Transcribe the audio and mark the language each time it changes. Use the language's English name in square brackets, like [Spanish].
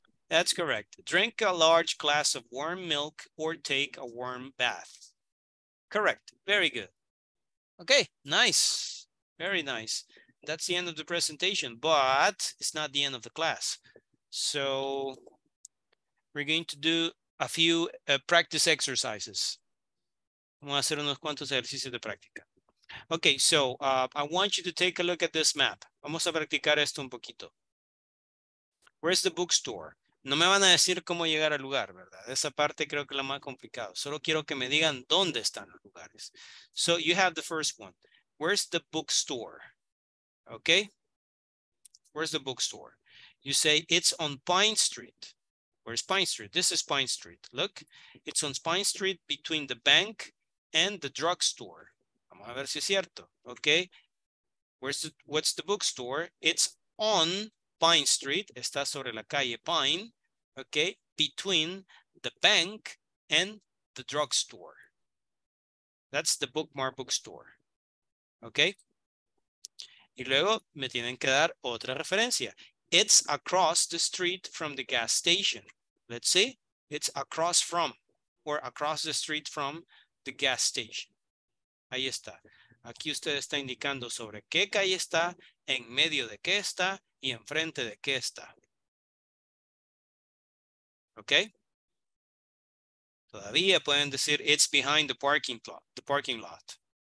[English] That's correct. Drink a large glass of warm milk or take a warm bath. Correct. Very good. Okay, nice. Very nice. That's the end of the presentation, but it's not the end of the class. So we're going to do a few practice exercises. [Spanish] Vamos a hacer unos cuantos ejercicios de práctica. [English] Okay, so I want you to take a look at this map. [Spanish] Vamos a practicar esto un poquito. [English] Where's the bookstore? [Spanish] No me van a decir cómo llegar al lugar, ¿verdad? Esa parte creo que es la más complicada. Solo quiero que me digan dónde están los lugares. [English] So you have the first one. Where's the bookstore? Okay. Where's the bookstore? You say it's on Pine Street. Where's Pine Street? This is Pine Street. Look, it's on Pine Street between the bank and the drugstore. [Spanish] Vamos a ver si es cierto. Okay. [English] What's the bookstore? It's on Pine Street. [Spanish] Está sobre la calle Pine. [English] Okay. Between the bank and the drugstore. That's the bookmark bookstore. Okay. [Spanish] Y luego me tienen que dar otra referencia. [English] It's across the street from the gas station. Let's see. It's across from or across the street from the gas station. [Spanish] Ahí está. Aquí usted está indicando sobre qué calle está, en medio de qué está y enfrente de qué está. [English] Okay. [Spanish] Todavía pueden decir [English] it's behind the parking lot.